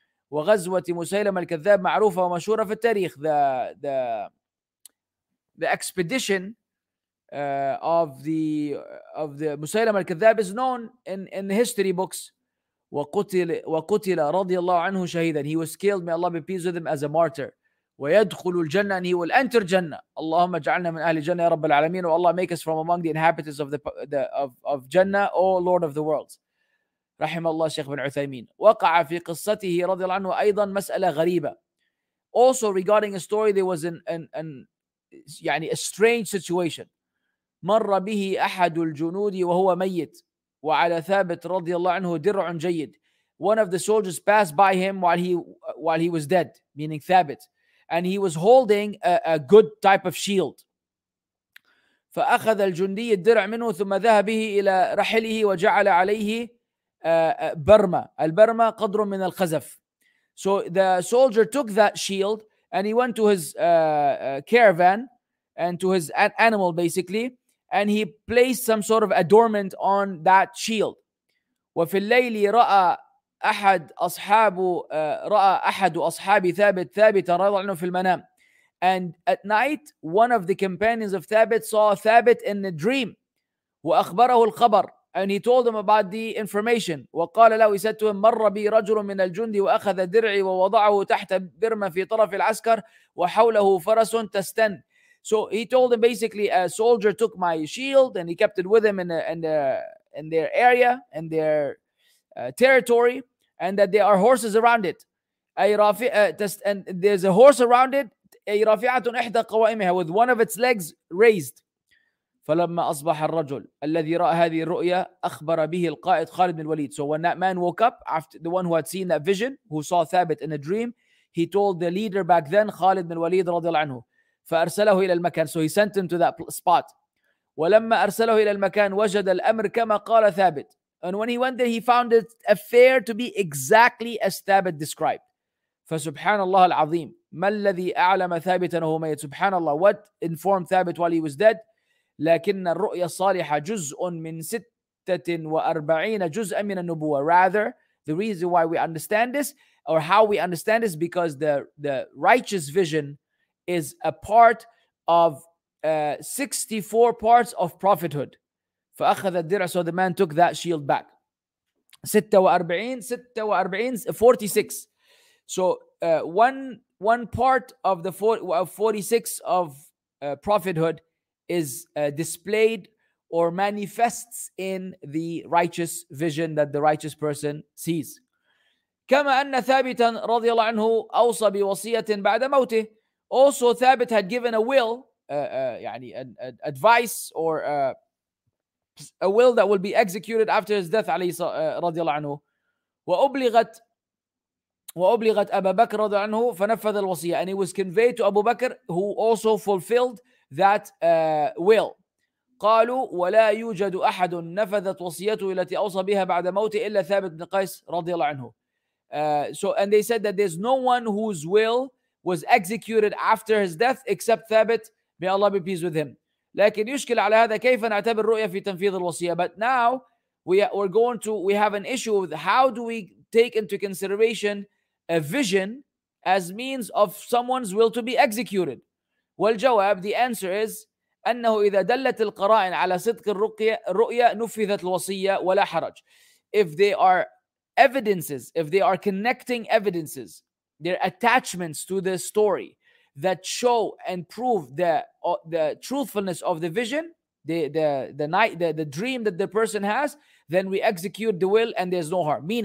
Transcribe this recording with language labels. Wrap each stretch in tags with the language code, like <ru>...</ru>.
<en>وغزوة مسيلمة الكذاب معروفة ومشهورة في التاريخ, the expedition of the مسيلمة الكذاب is known in history books. وقتل رضي الله عنه شهيدا. He was killed, may Allah be pleased with him, as a martyr. ويدخل الجنة, and he will enter جنة.</en> <ar>اللهم اجعلنا من أهل الجنة يا رب العالمين.</ar> <en>والله make us from among the inhabitants of the جنة, O Lord of the worlds.</en> <ar>رحم الله الشيخ بن عثيمين. وقع في قصته رضي الله عنه أيضا مسألة غريبة.</ar> <en>Also regarding a story, there was an يعني a strange situation.</en> <ar>مر به أحد الجنود وهو ميت وعلى ثابت رضي الله عنه درع جيد.</ar> <en>One of the soldiers passed by him while he was dead, meaning ثابت. And he was holding a good type of shield.</en> <ar>فأخذ الجندي الدرع منه ثم ذهب به إلى رحله وجعل عليه برمة. البرمة قدر من الخزف.</ar> <en>So the soldier took that shield and he went to his caravan and to his animal basically, and he placed some sort of adornment on that shield.</en> <ar>وفي الليل رأى أحد أصحاب ثابت رضي عنه في المنام.</ar> <en>And at night, one of the companions of ثابت saw ثابت in a dream. وأخبره الخبر. And he told him about the information.</en> <ar>وقال له, he said to him, مر بي رجل من الجند وأخذ درعي ووضعه تحت برمة في طرف العسكر وحوله فرس تستن.</ar> <en>So he told him basically, a soldier took my shield and he kept it with him in their territory. And that there are horses around it. And there's a horse around it. أي رافعة إحدى قوائمها, with one of its legs raised.</en> <ar>فلما أصبح الرجل الذي رأى هذه الرؤيا أخبر به القائد خالد بن الوليد.</ar> <en>So when that man woke up, after the one who had seen that vision, who saw ثابت in a dream, he told the leader back then, خالد بن الوليد رضي الله عنه. فأرسله إلى المكان. So he sent him to that spot.</en> <ar>ولما أرسله إلى المكان وجد الأمر كما قال ثابت.</ar> <en>And when he went there, he found the affair to be exactly as Thabit described. فسبحان الله العظيم.</en> <ar>ما الذي أعلم ثابتا وهو ميت؟ سبحان الله. What informed ثابت while he was dead؟ لكن الرؤية الصالحة جزء من 46 جزءا من النبوة.</ar> <en>Rather, the reason why we understand this or how we understand this because the righteous vision is a part of 64 parts of prophethood. فأخذ الدرع. So the man took that shield back. 46. So one part of the 46 of prophethood is displayed or manifests in the righteous vision that the righteous person sees.</en> <ar>كما أن ثابتا رضي الله عنه أوصى بوصية بعد موته.</ar> <en>Also ثابت had given a will, يعني an advice or a will that will be executed after his death عليه رضي الله عنه.</en> <ar>وأبلغت أبا بكر رضي الله عنه فنفذ الوصية.</ar> <en>And he was conveyed to Abu Bakr, who also fulfilled that will.</en> <ar>قالوا ولا يوجد أحد نفذت وصيته التي أوصى بها بعد موته إلا ثابت بن قيس رضي الله عنه.</ar> <en>So and they said that there's no one whose will was executed after his death except ثابت. May Allah be pleased with him.</en> <ar>لكن يشكل على هذا كيف نعتبر الرؤية في تنفيذ الوصية.</ar> <en>But now we have an issue with how do we take into consideration a vision as means of someone's will to be executed.</en> <ar>والجواب, the answer is أنه إذا دلت القرائن على صدق الرؤية نفذت الوصية ولا حرج.</ar> <en>If they are evidences, if they are connecting evidences, their attachments to the story that show and prove the truthfulness of the vision, the dream that the person has, then we execute the will and there's no harm.</en>